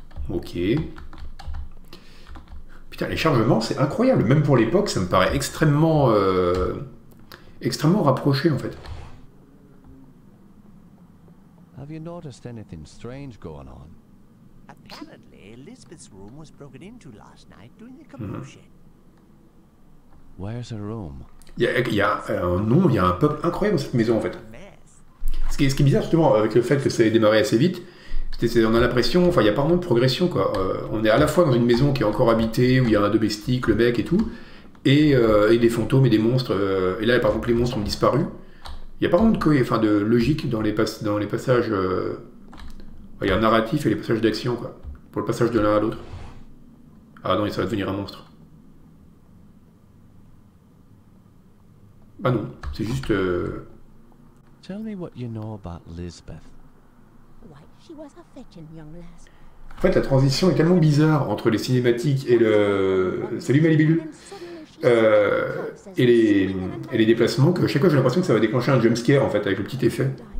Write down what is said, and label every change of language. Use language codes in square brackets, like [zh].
[fr] Ok. Putain, les chargements, c'est incroyable. Même pour l'époque, ça me paraît extrêmement... extrêmement rapproché, en fait. [en] Have you noticed anything strange going on? Apparently, Elizabeth's room was broken into last night during the commotion. Where's her room? [fr] Il y a un nom, il y a un peuple incroyable dans cette maison en fait. Ce qui est bizarre justement avec le fait que ça ait démarré assez vite, C'est, on a l'impression, enfin, il y a pas vraiment de progression, quoi. On est à la fois dans une maison qui est encore habitée, où il y a un domestique, le mec et tout, et des fantômes et des monstres. Et là, par exemple, les monstres ont disparu. Il y a pas vraiment enfin, de logique dans dans les passages. Il y a un narratif et les passages d'action, quoi. Pour le passage de l'un à l'autre. Ah non, et ça va devenir un monstre. Ah non, c'est juste. [en] Tell me what you know about Lisbeth. Why, she was a fetching young lass. [fr] En fait, la transition est tellement bizarre entre les cinématiques et le Salut Malibu et les déplacements que chaque fois j'ai l'impression que ça va déclencher un jumpscare en fait avec le petit effet.